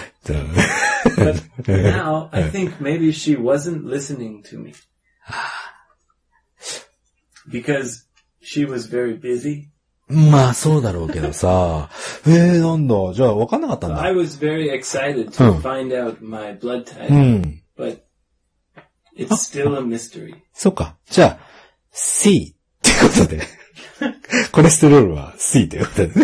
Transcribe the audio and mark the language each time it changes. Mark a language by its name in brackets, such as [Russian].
[English] But now I think maybe she wasn't listening to me. Because she was very busy. [Japanese] まあそうだろうけどさ、なんだ、じゃあ分かんなかったんだ。 [English] I was very excited to find out my blood type, but it's still a mystery. [Japanese] そうか、じゃあ C ってことで、コレステロールは C ってことでね。